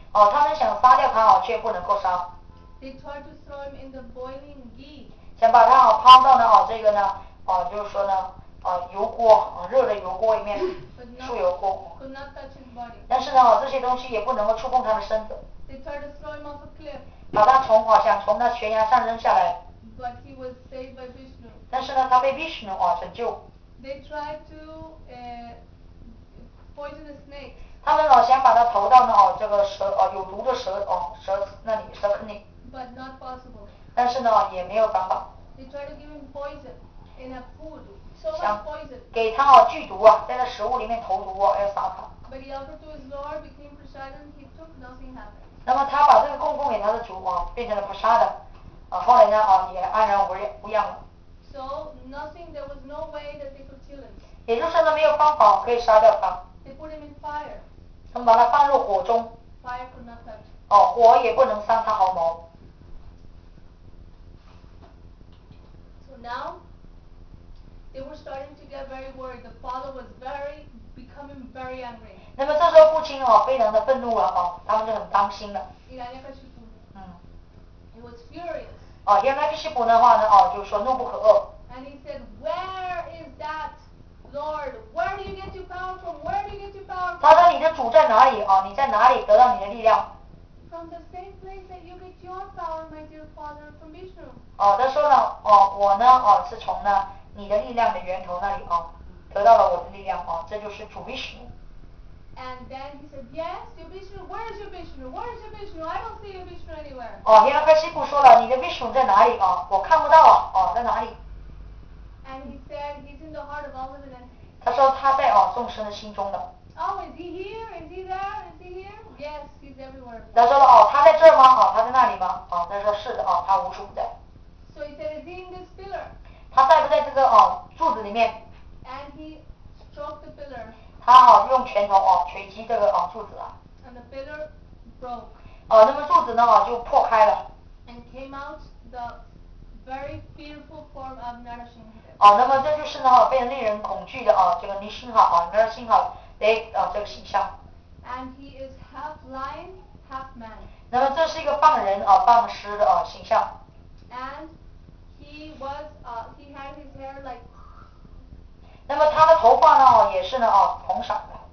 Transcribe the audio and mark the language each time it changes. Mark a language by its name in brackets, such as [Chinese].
[Chinese] 他们想杀掉他却不能够杀。 [English] They tried to throw him in the boiling ghee. [Chinese] 想把他抛到这个呢就是说呢油锅热的油锅里面树油锅。 [English] Could not touch his body. [Chinese] 但是呢这些东西也不能够触碰他的身子。 [English] They tried to throw him off a cliff. [Chinese] 把他从想从那悬崖上扔下来。 [English] But he was saved by Vishnu. [Chinese] 但是呢他被 Vishnu 拯救。 [English] They tried to poison the snake. [Chinese] 他们想把他投到这个蛇有毒的蛇蛇那里蛇坑里。 [English] But not possible. [Chinese] 但是呢也没有办法。 [English] They try to give him poison in a food. So much poison. [Chinese] 给他剧毒在那食物里面投毒要杀他。 [English] But he offered to his Lord, became Prasadam, he took nothing happened. [Chinese] 那么他把这个供奉给他的主变成了 Prasadam, 后来呢也安然无恙了。 [English] So nothing, there was no way that they could kill him. [Chinese] 也就是说没有方法可以杀掉他。 [English] They put him in fire. [Chinese] 他们把他放入火中。 [English] Fire could not touch. [Chinese] 火也不能伤他毫毛。 [English] So now they were starting to get very worried. The father was becoming very angry. [Chinese] 那么这时候父亲非常的愤怒了他们就很担心了。 [English] Hiranyakashipu. He was furious. [Chinese] Hiranyakashipu 的话呢就是说怒不可遏。 [English] And he said, "Where is that?" Lord, where do you get your power from? Where do you get your power from? [Chinese] 他说你的主在哪里你在哪里得到你的力量 [English] From the same place that you get your power, my dear father, from Vishnu. [Chinese] 他说呢我呢是从呢你的力量的源头那里得到了我的力量这就是主 Vishnu. [English] And then he said, yes, your Vishnu, where is your Vishnu? Where is your Vishnu? I don't see your Vishnu anywhere. [Chinese] 原来西部说了你的 Vishnu 在哪里我看不到在哪里。 [English] And he said, he's in the heart of all living entities. [Chinese] 他说他在众生的心中的。 [English] Oh, is he here? Is he there? Is he here? Yes, he's everywhere. [Chinese] 他说他在这吗他在那里吗他说是的他无处不在。 [English] So he said, is he in this pillar? [Chinese] 他在不在这个柱子里面。 [English] And he stroked the pillar. [Chinese] 他用拳头锤击这个柱子啊。 [English] And the pillar broke. [Chinese] 那么柱子呢就破开了。 [English] And came out the very fearful form of Narasimha. [Chinese] 那么这就是呢非常令人恐惧的这个尼辛哈尼辛哈的这个形象。 [English] And he is half lion, half man. [Chinese] 那么这是一个半人半狮的形象。 [English] And he was, he had his hair like. [Chinese] 那么他的头发呢也是呢红色的。